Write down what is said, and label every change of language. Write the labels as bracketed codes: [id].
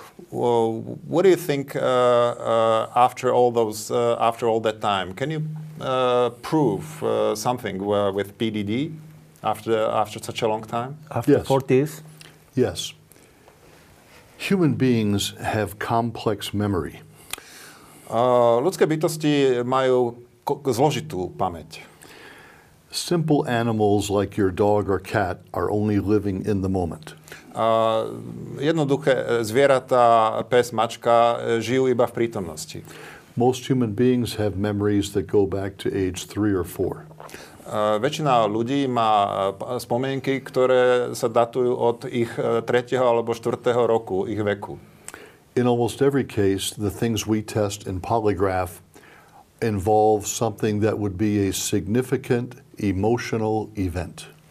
[en] What do you think after all that time? Can you prove something with PDD after such a long time? After 40s? Yes. Human beings have complex memory. [sk] Ľudské bytosti majú zložitú pamäť. [en] Simple animals like your dog or cat are only living in the moment. [sk] Jednoduché zvieratá, pes, mačka, žijú iba v prítomnosti. [en] Most human beings have memories that go back to age 3 or 4. [sk] Väčšina ľudí má spomienky, ktoré sa datujú od ich 3. alebo 4. roku, ich veku. [en] In almost every case, the things we test in polygraph involve something that would be a significant emotional event.